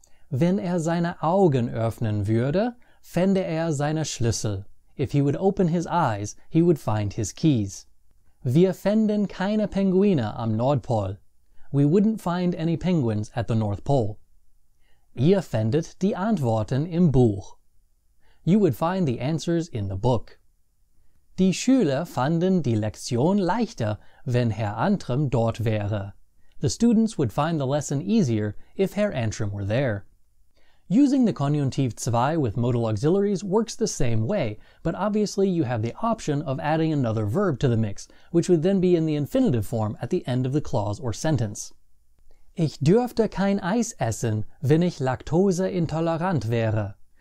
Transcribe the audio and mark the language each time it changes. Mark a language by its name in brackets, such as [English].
[German] Wenn seine Augen öffnen würde, fände seine Schlüssel. [English] If he would open his eyes, he would find his keys. [German] Wir fänden keine Pinguine am Nordpol. [English] We wouldn't find any penguins at the North Pole. [German] Ihr fändet die Antworten im Buch. [English] You would find the answers in the book. [German] Die Schüler fanden die Lektion leichter, wenn Herr Antrim dort wäre. [English] The students would find the lesson easier if Herr Antrim were there. Using the conjunctive 2 with modal auxiliaries works the same way, but obviously you have the option of adding another verb to the mix, which would then be in the infinitive form at the end of the clause or sentence. [German] Ich dürfte kein Eis essen, wenn ich laktoseintolerant wäre.